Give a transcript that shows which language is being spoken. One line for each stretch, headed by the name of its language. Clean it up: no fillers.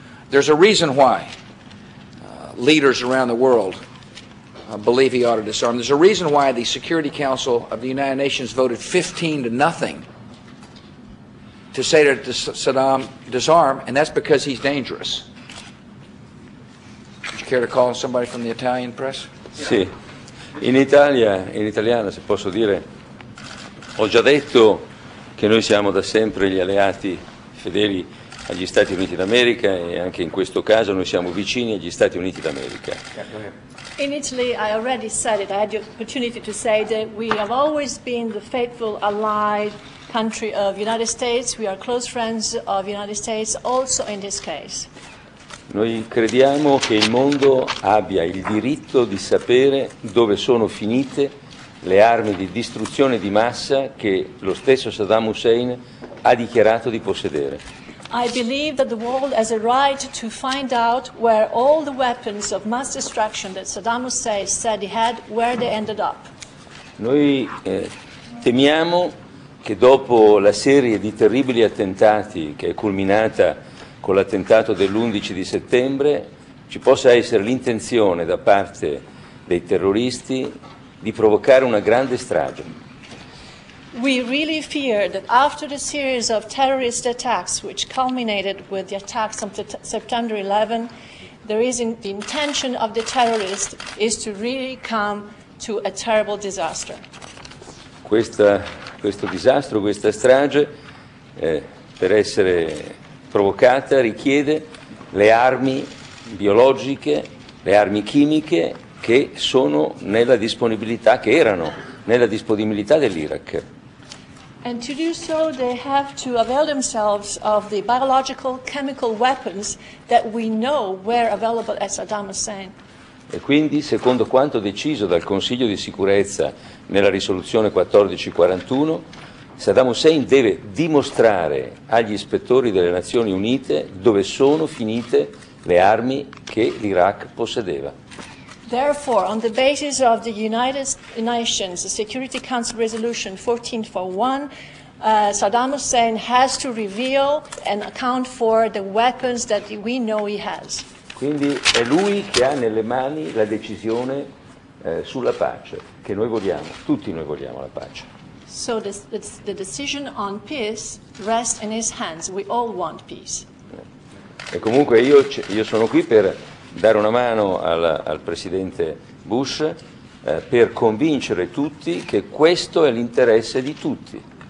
English: There's a reason why leaders around the world believe he ought to disarm. There's a reason why the Security Council of the United Nations voted 15-0 to say to Saddam, disarm, and that's because he's dangerous. Would you care to call somebody from the Italian press?
Italian: Sì. In Italia, in italiano, se posso dire, ho già detto che noi siamo da sempre gli alleati fedeli agli Stati Uniti d'America e anche in questo caso noi siamo vicini agli Stati Uniti d'America.
English: In Italy I already said it, I had the opportunity to say that we have always been the faithful allied country of United States, we are close friends of United States also in this case.
Italian: Noi crediamo che il mondo abbia il diritto di sapere dove sono finite le armi di distruzione di massa che lo stesso Saddam Hussein ha dichiarato di possedere.
English: I believe that the world has a right to find out where all the weapons of mass destruction that Saddam Hussein said he had, where they ended up.
Italian: Noi temiamo che dopo la serie di terribili attentati che è culminata con l'attentato dell'11 di settembre ci possa essere l'intenzione da parte dei terroristi di provocare una grande strage.
English: We really fear that after the series of terrorist attacks which culminated with the attacks on September 11, there is in the intention of the terrorist is to really come to a terrible disaster.
Italian: Questo disastro, questa strage, per essere provocata richiede le armi biologiche, le armi chimiche che sono nella disponibilità, che erano nella disponibilità dell'Iraq.
English: And to do so, they have to avail themselves of the biological, chemical weapons that we know were available at Saddam Hussein.
Italian: E quindi, secondo quanto deciso dal Consiglio di sicurezza nella risoluzione 1441, Saddam Hussein deve dimostrare agli ispettori delle Nazioni Unite dove sono finite le armi che l'Iraq possedeva.
English: Therefore, on the basis of the United Nations Security Council Resolution 1441, Saddam Hussein has to reveal and account for the weapons that we know he has.
Italian: Quindi è lui che ha nelle mani la decisione sulla pace, che noi vogliamo, tutti noi vogliamo la pace.
English: So the decision on peace rests in his hands. We all want peace.
Italian: E comunque io sono qui per dare una mano al presidente Bush per convincere tutti che questo è l'interesse di tutti.